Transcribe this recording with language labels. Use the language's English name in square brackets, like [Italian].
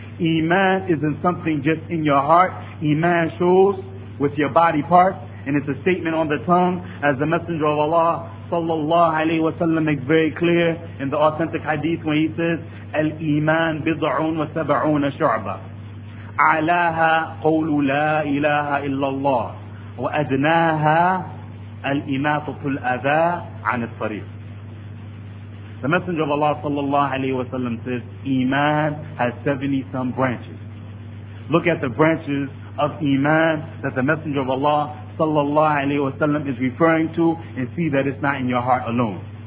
[English] Iman isn't something just in your heart. Iman shows with your body parts, and it's a statement on the tongue, as the Messenger of Allah sallallahu alayhi wa sallam makes very clear in the authentic hadith when he says, [Arabic] Al-Iman bid'un wa sab'una shu'ba. A'laha qawlu la ilaha illallah. وأدناها الإماطة الأذى عن الطريق. [English] The Messenger of Allah sallallahu alayhi wa sallam says, Iman has 70 some branches. Look at the branches of Iman that the Messenger of Allah sallallahu alayhi wa sallam is referring to, and see that it's not in your heart alone.